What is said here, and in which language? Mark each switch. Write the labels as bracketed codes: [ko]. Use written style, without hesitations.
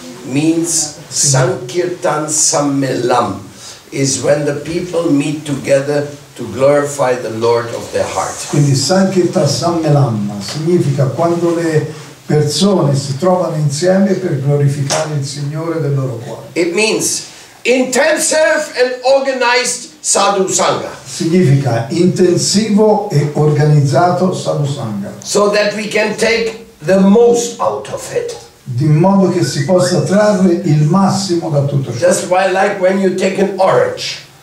[en] Means Sankirtan Sammelam is when the people meet together to glorify the Lord of their heart. [it] Quindi Sankirtan Sammelam significa quando le persone si trovano insieme per glorificare il Signore del loro cuore. [en] It means intensive and organized sadhu sangha. [it] Significa intensivo e organizzato sadhu sangha. [en] So that we can take the most out of it. [it] Di modo che si possa trarre il massimo da tutto ciò. [en] Just why, like when you take an orange.